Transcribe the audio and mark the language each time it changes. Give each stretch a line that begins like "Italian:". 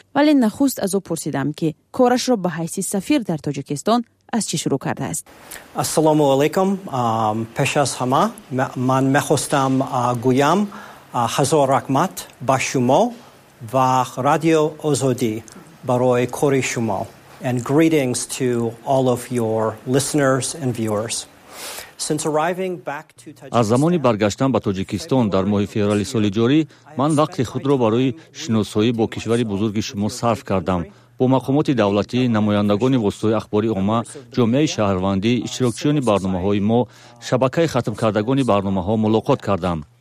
Persian: ولی نخست از او پرسیدم که کارش را به حیث سفیر در تاجیکستان از چی شروع کرده است؟ السلام علیکم. پیش از همه من میخواستم گویم هزار رحمت با شما و رادیو آزادی برای کار شما.
English: And greetings to all of your listeners and viewers. Since arriving back to Tajikistan,
Persian: از زمانی برگشتم به تاجیکستان در ماه فوریه سال جاری، من وقت خود را برای شناسایی با کشوری بزرگ شما صرف کردم. با مقامات دولتی، نمایندگان واسطه اخباری عامه، جامعه شهروندی، اشتراکچیان برنامه‌های ما، شبکه ختم کردگان برنامه‌ها ملاقات کردم.